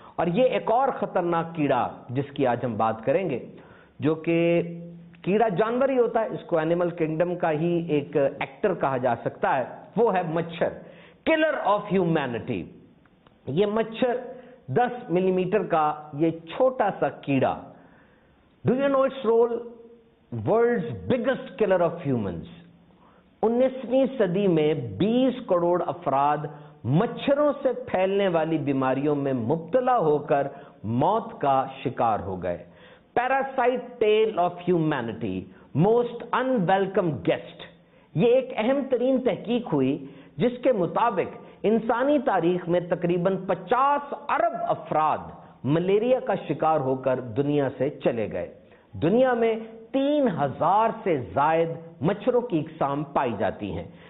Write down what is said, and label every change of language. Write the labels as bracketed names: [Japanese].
[Hindi] और ये एक और खतरनाक कीड़ा जिसकी आज हम बात करेंगे, जो कि कीड़ा जानवर ही होता है, इसको एनिमल किंगडम का ही एक एक्टर कहा जा सकता है, वो है मच्छर, [English] Killer of humanity. [Hindi] ये मच्छर 10 मिलीमीटर का ये छोटा सा कीड़ा, [English] Do you know its role? World's biggest killer of humans. [Hindi] 19वीं सदी में 20 करोड़ अफराद मच्छरों से फैलने वाली बीमारियों में मुब्तला होकर मौत का शिकार हो गए। [English] Parasite tail of humanity, most unwelcome guest. [Hindi] ये एक अहम तरीन तहकीक हुई जिसके मुताबिक इंसानी तारीख में तकरीबन 50 अरब अफराद मलेरिया का शिकार होकर दुनिया से चले गए। दुनिया में 3000 से जायद मच्छरों की इकसाम पाई जाती हैं।